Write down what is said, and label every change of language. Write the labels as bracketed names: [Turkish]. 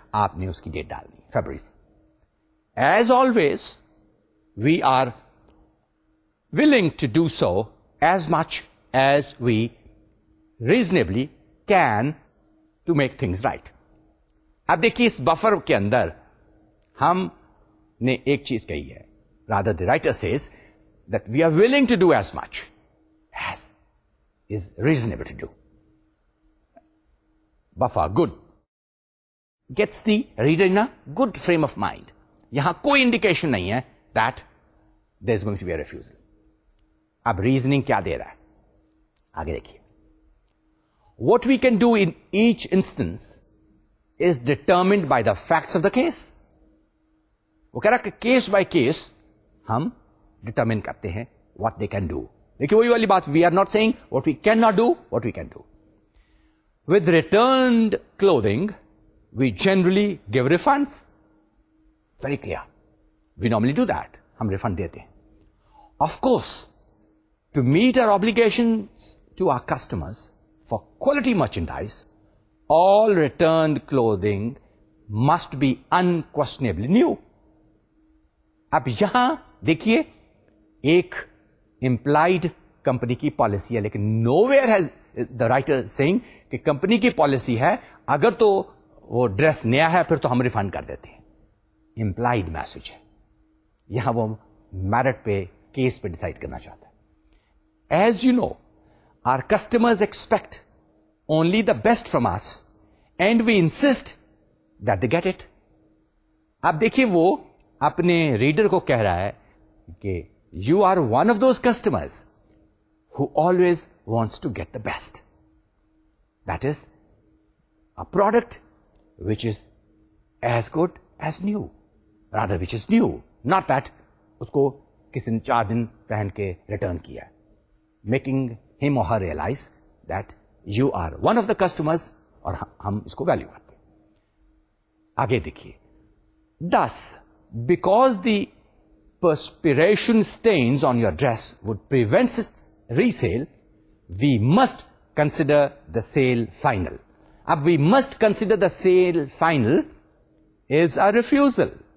[Urdu] آپ نے اس کی ڈیٹ ڈالنی February. [English] As always we are willing to do so as much as we reasonably can to make things right. [Urdu] اب دیکھیے اس buffer کے اندر ہم نے ایک چیز کہی ہے. [English] Rather, the writer says that we are willing to do as much as is reasonable to do. Buffer, good. Gets the reader in a good frame of mind. [Urdu] یہاں کوئی indication نہیں ہے [English] that there is going to be a refusal. [Urdu] اب reasoning کیا دے رہا ہے؟ آگے دیکھیے. [English] What we can do in each instance is determined by the facts of the case. [Urdu] وہ کہہ رہا کہ کیس بائی کیس ہم ڈیٹرمن کرتے ہیں [English] What they can do. [Urdu] دیکھیے وہی والی بات, [English] We are not saying what we can not do, what we can do. With returned clothing we generally give refunds, very clear, we normally do that, [Urdu] ہم refund دیتے ہیں. [English] Of course to meet our obligation to our customers for quality merchandise all returned clothing must be unquestionably new. [Urdu] اب یہاں دیکھیے ایک employed company کی policy ہے, لیکن [English] nowhere has the writer saying [Urdu] کہ کمپنی کی پالیسی ہے اگر تو وہ ڈریس نیا ہے پھر تو ہم ریفنڈ کر دیتے ہیں. امپلائڈ میسج ہے یہاں, وہ میرٹ پہ کیس پہ ڈیسائیڈ کرنا چاہتا ہے. [English] As you know our customers expect only the best from us and we insist that they get it. [Urdu] اب دیکھیے وہ اپنے ریڈر کو کہہ رہا ہے کہ [English] you are one of those customers who always wants to get the best, that is a product which is as good as new, rather which is new, not that [Urdu] اس کو کسی نے چار دن پہن کے ریٹرن کیا. [English] making ہم اور ہر realize that you are one of the customers [Urdu] اور ہم اس کو ویلیو کرتے. آگے دیکھیے, [English] This because the perspiration stains on your dress would prevent its resale, we must consider the sale final. Ab we must consider the sale final is a refusal.